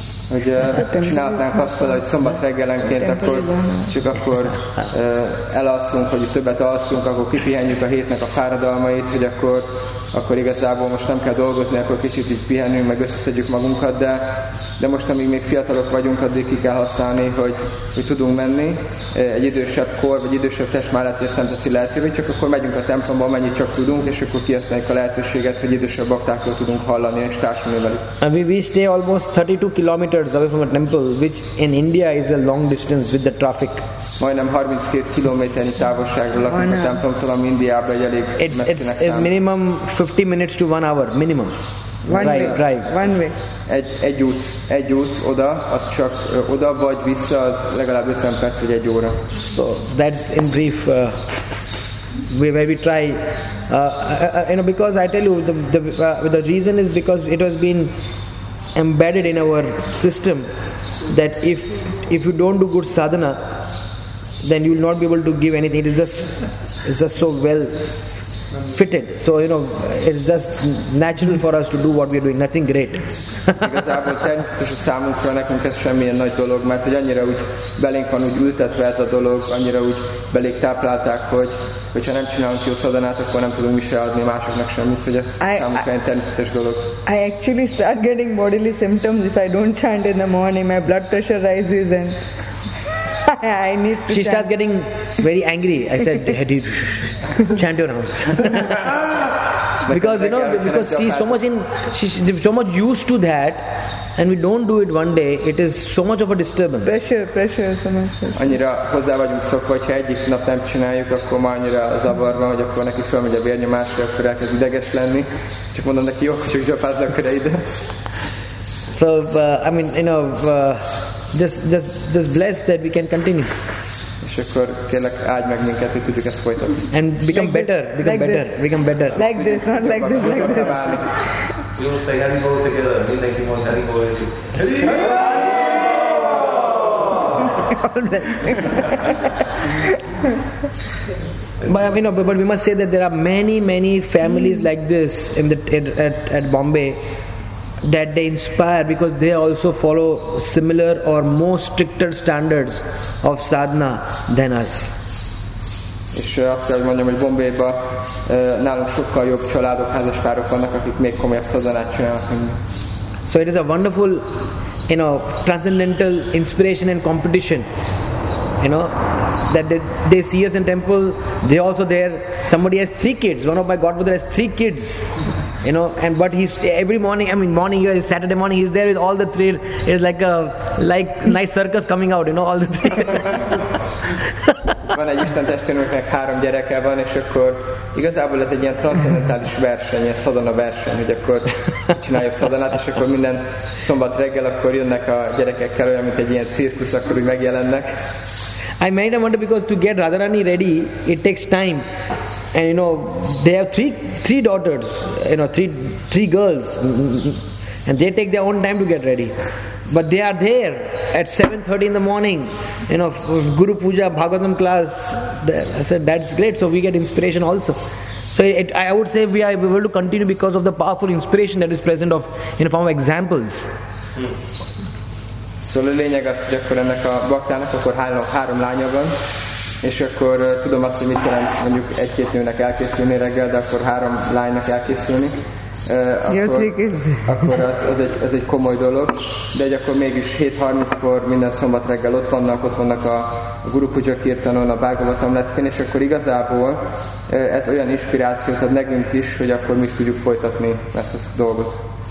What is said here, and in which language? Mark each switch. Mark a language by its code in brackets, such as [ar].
[hu] Hogy csinálhatnánk azt, hogy szombat reggelenként akkor csak akkor elalszunk, hogy többet alszunk, akkor kipihenjük a hétnek a fáradalmait, hogy akkor igazából most nem kell dolgozni, akkor kicsit így pihenünk, meg összeszedjük magunkat, de most, amíg még fiatalok vagyunk, addig ki kell használni, hogy tudunk menni. Egy idősebb kor, vagy idősebb test már lehet, ezt nem teszi lehetővé, csak akkor megyünk a templomba, amennyit csak tudunk, és akkor kihasználjuk a lehetőséget, hogy idősebb baktákról tudunk hallani és társulni velük. [en] We stay almost 32 kilometers away from a temple, which in India is a long distance with the traffic. [hu] Majdnem 32 kilométernyi távolságról lakunk a templomtól, ami Indiában egy elég messzinek számít. [en] It's minimum 50 minutes to 1 hour, minimum. One way. [hu] Egy út oda, az csak oda vagy vissza, az legalább 50 perc vagy egy óra. [en] So that's in brief where we try. You know, because I tell you, the reason is because it has been embedded in our system that if you don't do good sadhana, then you will not be able to give anything. It's just so well fitted. So, you know, it's just natural for us to do what we're doing. Nothing great. [hu] Igazából természetesen számunkra nekünk ez semmilyen nagy dolog, mert hogy annyira úgy belénk van, úgy ültetve ez a dolog, annyira úgy belénk táplálták, hogy ha nem csinálunk jó szadanát, akkor nem tudunk mi se adni másoknak semmit, hogy ez számunkra egy természetes dolog. [en] I actually start getting bodily symptoms if I don't chant in the morning. My blood pressure rises and I need to She chant. Starts getting very angry. I said, "Hey, chant your name." Because you know, because she's so much used to that, and we don't do it one day, it is so much of a disturbance. Pressure, so much. [hu] Annyira hozzá vagyunk szokva, hogy ha egyik nap nem csináljuk, akkor már annyira zavar van, hogy akkor neki felmegy a vérnyomásra, akkor elkezd ideges lenni. Csak mondom neki, jó, csak zsapázz akkor ide. [en] So, I mean, you know, just bless that we can continue. [hu] És akkor kérlek, áld meg minket, hogy tudjuk ezt folytatni. [en] And become better. Like this, not like this, like this. We will say Hari Bol together. We'll thank you for Hari Bol. Hari Bol! But, you know, but we must say that there are many, many families like this at Bombay that they inspire because they also follow similar or more stricter standards of sadhana than us. [hu] És azt kell mondjam, hogy Bombayban nálunk sokkal jobb családok, házaspárok vannak, akik még komolyabb szadhanát csinálnak. [en] So it is a wonderful, you know, transcendental inspiration and competition. you know, that they see us in temple, they also there. Somebody has three kids, one of my godbrother has three kids, you know, and but he's every morning, I mean morning, Saturday morning, he's there with all the three. It's like a nice circus coming out, you know, all the three. Van egy Isten testvérünknek három gyereke van, és akkor igazából ez egy ilyen transzendentális verseny, ilyen szadana verseny, hogy akkor csináljuk szadanát, és akkor minden szombat reggel akkor jönnek a gyerekekkel, olyan, mint egy ilyen cirkusz, akkor úgy megjelennek. I made a wonder because to get Radharani ready, it takes time. And you know, they have three daughters, you know, three girls. And they take their own time to get ready. But they are there at 7:30 in the morning, you know, Guru Puja, Bhagavatam class. I said, that's great. So we get inspiration also. So I would say we are able to continue because of the powerful inspiration that is present of in the form of examples. So the [hu] lényeg az, hogy akkor ennek a baktának akkor három lánya van, és akkor tudom azt, hogy mit jelent mondjuk egy-két nőnek elkészülni reggel, de akkor három lánynak elkészülni. Akkor az egy komoly dolog, de egy akkor mégis 7:30-kor minden szombat reggel ott vannak a Guru Puja Kirtanon, a Bhagavatam leckén, és akkor igazából ez olyan inspirációt ad nekünk is, hogy akkor mi is tudjuk folytatni ezt a dolgot.